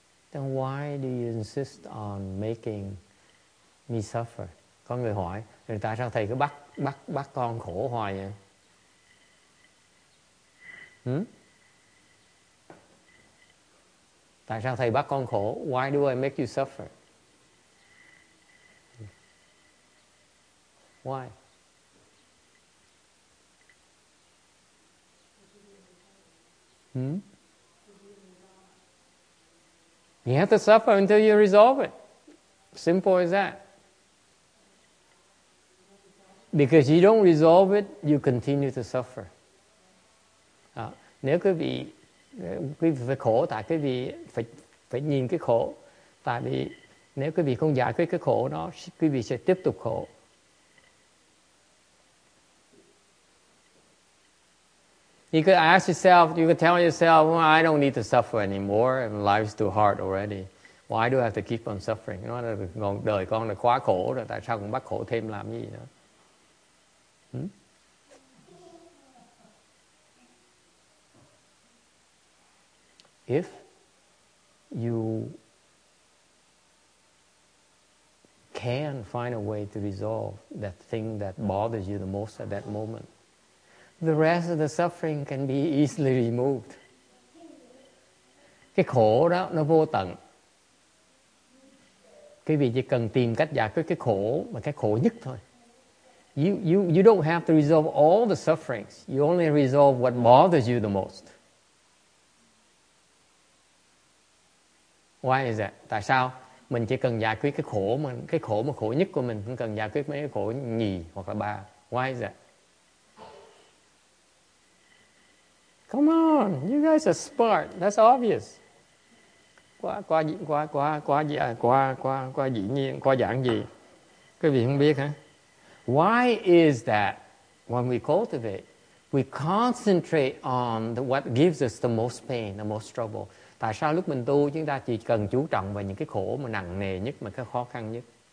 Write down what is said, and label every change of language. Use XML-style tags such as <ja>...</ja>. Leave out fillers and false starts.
<en>Then why do you insist on making me suffer?</en> <vi>Có người hỏi, tại sao thầy cứ bắt con khổ hoài vậy? Tại sao thầy bắt con khổ?</vi> <en>Why do I make you suffer? Why? You have to suffer until you resolve it. Simple as that. Because you don't resolve it, you continue to suffer.</en> <vi>Nếu quý vị phải khổ tại quý vị phải nhìn cái khổ, tại vì nếu quý vị không giải quyết cái khổ đó, quý vị sẽ tiếp tục khổ.</vi> <en>You could ask yourself, you could tell yourself, well, I don't need to suffer anymore, and life's too hard already. Why do I have to keep on suffering?</en> <vi>Nó là đời con là quá khổ rồi, tại sao còn bắt khổ thêm làm gì nữa?</vi> <en>If you can find a way to resolve that thing that bothers you the most at that moment, the rest of the suffering can be easily removed.</en> <vi>Cái khổ đó nó vô tận. Quý vị chỉ cần tìm cách giải quyết cái khổ mà cái khổ nhất thôi.</vi> <en>You don't have to resolve all the sufferings. You only resolve what bothers you the most. Why is that?</en> <vi>Tại sao mình chỉ cần giải quyết cái khổ mà khổ nhất của mình, không cần giải quyết mấy cái khổ nhì hoặc là ba?</vi> <en>Why is that? Come on, you guys are smart. That's obvious.</en> <vi>Quá dĩ nhiên, quá giản dị. Quý vị không biết hả?</vi> <en>Why is that when we cultivate, we concentrate on what gives us the most pain, the most trouble?</en> <vi>Tại sao lúc mình tu chúng ta chỉ cần chú trọng vào những cái khổ mà nặng nề nhất, mà cái khó khăn nhất?</vi>